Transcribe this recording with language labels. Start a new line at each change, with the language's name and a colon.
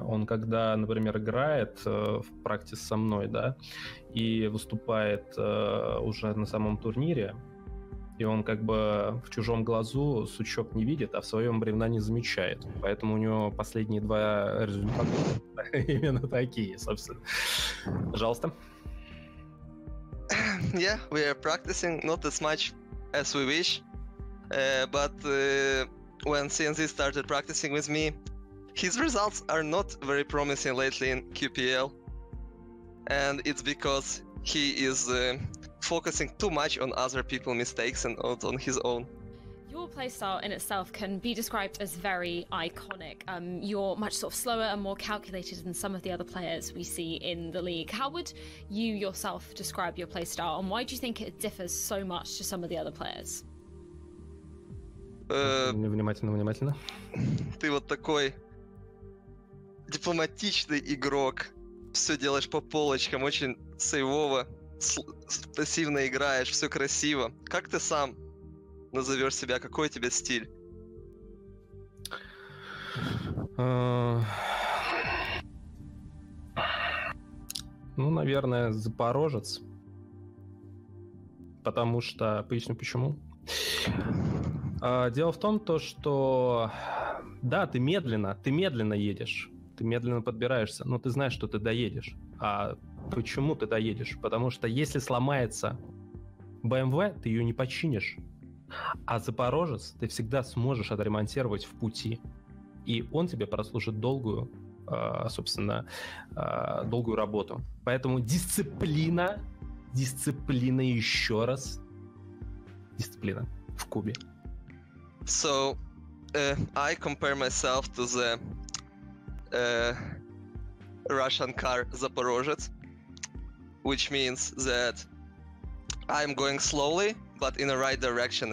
Russian: Он когда, например, играет в практике со мной, да, и выступает уже на самом турнире, и он как бы в чужом глазу сучок не видит, а в своем бревна не замечает. Поэтому у него последние два результата именно такие, собственно. Пожалуйста.
English: Yeah, we are practicing not as much as we wish, but when CNZ started practicing with me, his results are not very promising lately in QPL, and it's because he is focusing too much on other people's mistakes and not on his own. Your playstyle in itself can be described as very iconic. You're much sort of slower and more calculated than some of the other players we see in the league. How would you yourself describe your playstyle, and why do you think it differs so much to some of the other players?
Russian: Внимательно. Ты вот такой дипломатичный игрок, все делаешь по полочкам, очень сейвово, пассивно играешь, все красиво. Как ты сам назовешь себя? Какой у тебя стиль? Ну, наверное, Запорожец. Потому что... Поясню, почему. Дело в том, то, что... Да, ты медленно едешь. Ты медленно подбираешься. Но ты знаешь, что ты доедешь. А почему ты доедешь? Потому что если сломается BMW, ты ее не починишь. А Запорожец ты всегда сможешь отремонтировать в пути. И он тебе прослужит долгую, собственно, долгую работу. Поэтому дисциплина, дисциплина еще раз. Дисциплина в кубе.
English: So, I compare myself to the Russian car Запорожец, which means that I'm going slowly, but in the right direction.